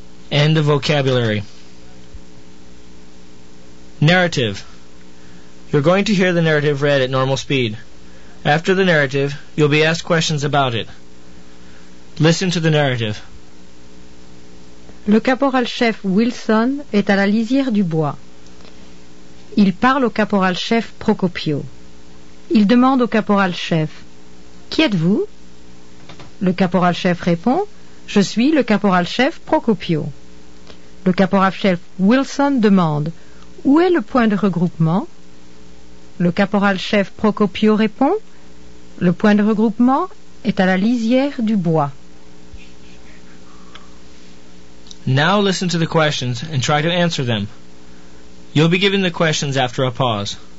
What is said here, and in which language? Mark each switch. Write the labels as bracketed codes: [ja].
[en] End of vocabulary. Narrative. You're going to hear the narrative read at normal speed. After the narrative, you'll be asked questions about it. Listen to the narrative. [fr] Le caporal-chef Wilson est à la lisière du bois. Il parle au caporal-chef Procopio. Il demande au caporal-chef, « Qui êtes-vous ? » Le caporal-chef répond, « Je suis le caporal-chef Procopio. » Le caporal-chef Wilson demande, « Où est le point de regroupement ?» Le caporal-chef Procopio répond, « Le point de regroupement est à la lisière du bois. » [en] Now listen to the questions and try to answer them. You'll be given the questions after a pause.